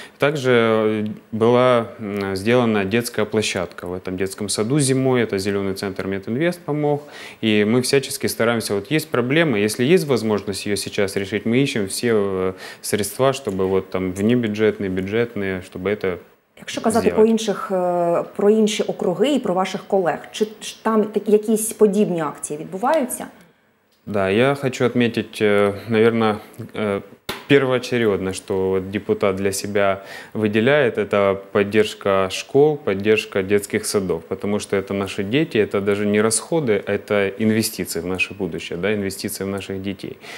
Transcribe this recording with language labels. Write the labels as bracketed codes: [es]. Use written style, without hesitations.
[ru] Также была сделана детская площадка в этом детском саду зимой. Это зеленый центр Мединвест помог. И мы всячески стараемся. Вот есть проблема, если есть возможность ее сейчас решить, мы ищем все средства, чтобы вот там внебюджетные, бюджетные, чтобы это [uk] Якщо казати по інших, про інші округи і про ваших колег, чи там якісь подібні акції відбуваються? [ru] Да, я хочу отметить, наверное, первоочередно, что депутат для себя выделяет, это поддержка школ, поддержка детских садов, потому что это наши дети, это даже не расходы, это инвестиции в наше будущее, да, инвестиции в наших детей.